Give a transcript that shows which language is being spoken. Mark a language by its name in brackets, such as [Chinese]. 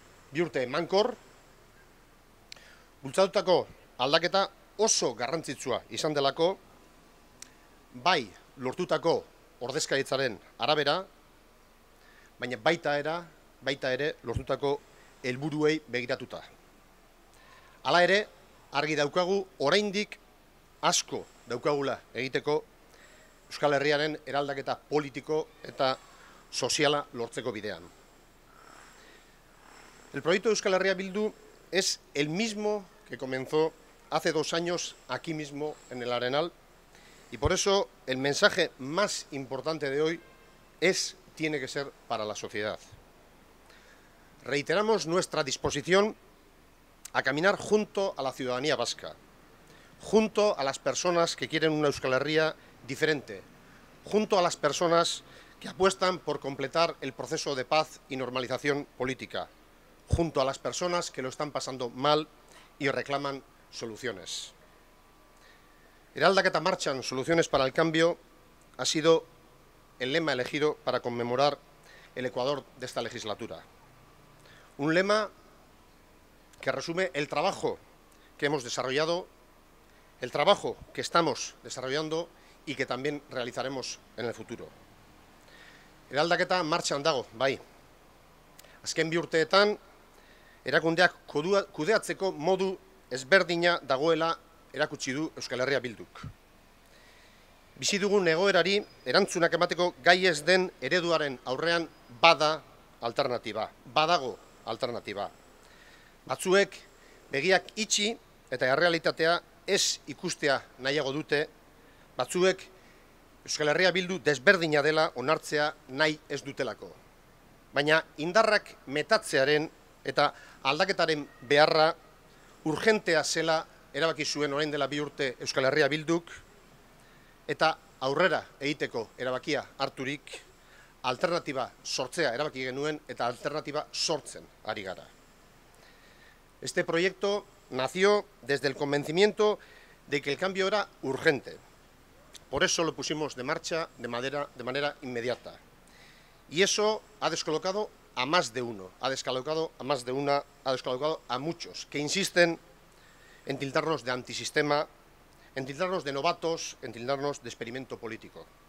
[Basque] Bi urte emankor bultzatutako aldaketa oso garrantzitsua izan delako, bai lortutako ordezkaritzaren arabera, baina baita ere lortutako helburuei begiratuta. Hala ere, argi daukagu oraindik asko daukagula egiteko Euskal Herriaren eraldaketa politiko eta soziala lortzeko bidean. [Spanish] El proyecto de Euskal Herria Bildu es el mismo que comenzó hace dos años aquí mismo en el Arenal y por eso el mensaje más importante de hoy tiene que ser para la sociedad. Reiteramos nuestra disposición a caminar junto a la ciudadanía vasca, junto a las personas que quieren una Euskal Herria diferente, junto a las personas que apuestan por completar el proceso de paz y normalización política, junto a las personas que lo están pasando mal y reclaman soluciones. [Basque] Eraldaketa marchan, [Spanish] soluciones para el cambio, ha sido el lema elegido para conmemorar el Ecuador de esta legislatura. Un lema que resume el trabajo que hemos desarrollado, el trabajo que estamos desarrollando y que también realizaremos en el futuro. [Basque] Eraldaketa martxan dago, bai. Azken bi urteetan, erakundeak kudeatzeko modu ezberdina dagoela erakutsi du Euskal Herria Bilduk. Bizi dugun egoerari erantzunak emateko gai ez den ereduaren aurrean bada alternatiba, badago alternatiba. Batzuek begiak itxi eta errealitatea ez ikustea nahiago dute, batzuek Euskal Herria Bildu desberdina dela onartzea nahi ez dutelako. Baina indarrak metatzearen eta aldaketaren beharra urgentea zela erabaki zuen orain dela bi urte Euskal Herria Bilduk eta aurrera egiteko erabakia harturik alternatiba sortzea erabaki genuen eta alternatiba sortzen ari gara. [Spanish] Este proyecto nació desde el convencimiento de que el cambio era urgente. Por eso lo pusimos de marcha de manera inmediata. Y eso ha descolocado a más de uno, ha descolocado a muchos, que insisten en tildarnos de antisistema, en tildarnos de novatos, en tildarnos de experimento político.